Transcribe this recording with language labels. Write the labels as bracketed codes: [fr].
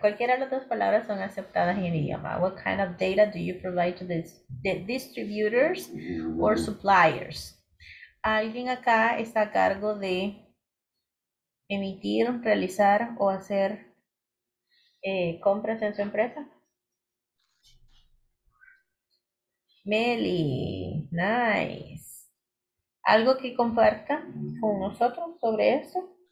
[es] Cualquiera de las dos palabras son aceptadas en el idioma. [en] What kind of data do you provide to the distributors or suppliers? [es] Alguien acá está a cargo de emitir, realizar o hacer compras en su empresa. Meli, [en] nice. [es] ¿Algo que comparta con nosotros sobre eso?